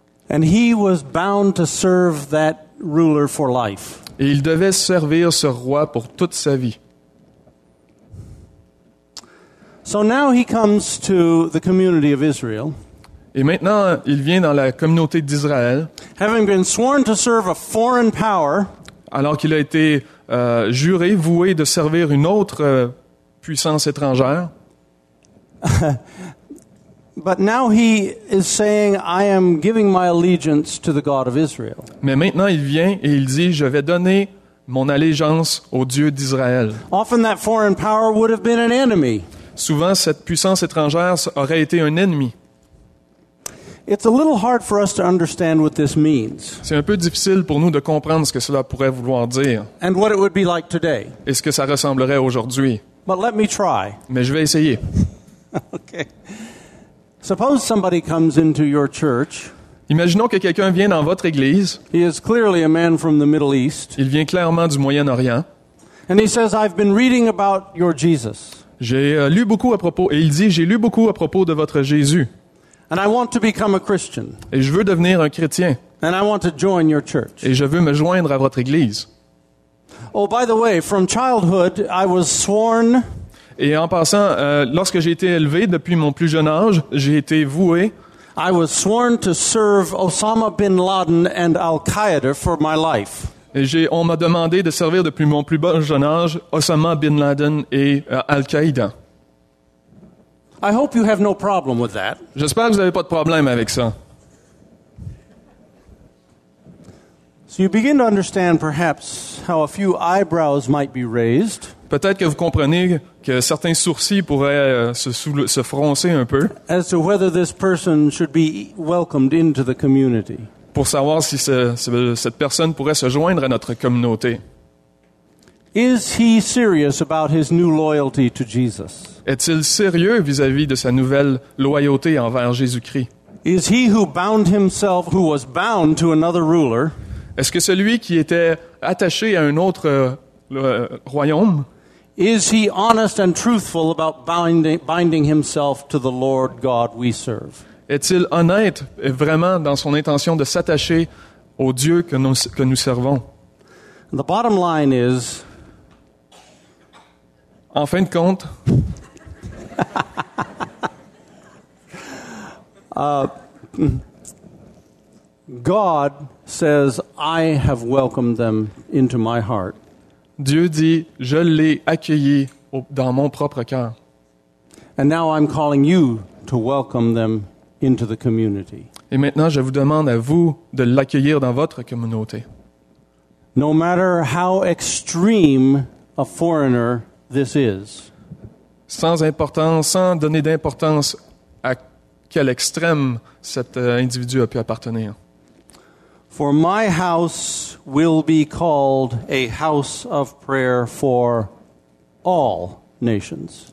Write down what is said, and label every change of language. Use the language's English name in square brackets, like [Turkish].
[English] And he was bound to serve that ruler for life. [French] Et il devait servir ce roi pour toute sa vie. [English] So now he comes to the community of Israel. [French] Et maintenant, il vient dans la communauté d'Israël. [English] Having been sworn to serve a foreign power. [French] Alors qu'il a été juré, voué de servir une autre puissance étrangère. [English] But now he is saying, I am giving my allegiance to the God of Israel. [French] Mais maintenant il vient et il dit, je vais donner mon allégeance au Dieu d'Israël. [English] Often that foreign power would have been an enemy. [French] Souvent, cette puissance étrangère aurait été un ennemi. [English] It's a little hard for us to understand what this means. [French] C'est un peu difficile pour nous de comprendre ce que cela pourrait vouloir dire. [English] And what it would be like today. [French] Et ce que ça ressemblerait aujourd'hui. [English] But let me try. [French] Mais je vais essayer. [English] Okay. Suppose somebody comes into your church. [French] Imaginons que quelqu'un vient dans votre église. [English] He is clearly a man from the Middle East. [French] Il vient clairement du Moyen-Orient. [English] And he says, "I've been reading about your Jesus." [French] J'ai lu beaucoup à propos, et il dit, j'ai lu beaucoup à propos de votre Jésus. [English] And I want to become a Christian. [French] Et je veux devenir un chrétien. [English] And I want to join your church. [French] Et je veux me joindre à votre église. [English] Oh, by the way, from childhood, I was sworn. [French] Et en passant, lorsque j'ai été élevé, depuis mon plus jeune âge, j'ai été voué. [English] I was sworn to serve Osama bin Laden and Al-Qaeda for my life. [French] Et on m'a demandé de servir depuis mon plus jeune âge Osama bin Laden et Al-Qaeda. [English] I hope you have no problem with that. [French] J'espère que vous n'avez pas de problème avec ça. [English] So you begin to understand perhaps how a few eyebrows might be raised. [French] Peut-être que vous comprenez que certains sourcils pourraient se froncer un peu. [English] As to whether this person should be welcomed into the community. [French] Pour savoir si cette personne pourrait se joindre à notre communauté. [English] Is he serious about his new loyalty to Jesus? [French] Est-il sérieux vis-à-vis de sa nouvelle loyauté envers Jésus-Christ? [English] Is he who bound himself, who was bound to another ruler? [French] Est-ce que celui qui était attaché à un autre royaume? [English] Is he honest and truthful about binding himself to the Lord God we serve? [French] Est-il honnête et vraiment dans son intention de s'attacher au Dieu que nous servons? [English] The bottom line is, [French] en fin de compte, [English] God says, "I have welcomed them into my heart." [French] Dieu dit, je l'ai accueilli dans mon propre cœur. [English] And now I'm calling you to welcome them into the community. [French] Et maintenant, je vous demande à vous de l'accueillir dans votre communauté. [English] No matter how extreme a foreigner this is. [French] Sans importance, sans donner d'importance à quel extrême cet individu a pu appartenir. [English] For my house will be called a house of prayer for all nations.